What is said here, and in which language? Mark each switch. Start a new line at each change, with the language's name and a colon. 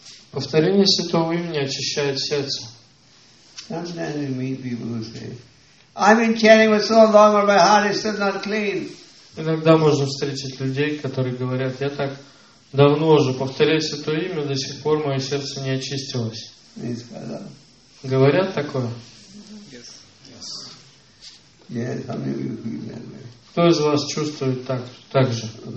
Russian: Повторение святого имени очищает сердце.
English: Sometimes we meet people who say, I've been chanting for so long and my heart is still not clean.
Russian: Иногда можно встретить людей, которые говорят, я так давно уже повторяю святое имя, до сих пор мое сердце не очистилось. Говорят такое?
English: Yes.
Russian: Кто из вас чувствует так же?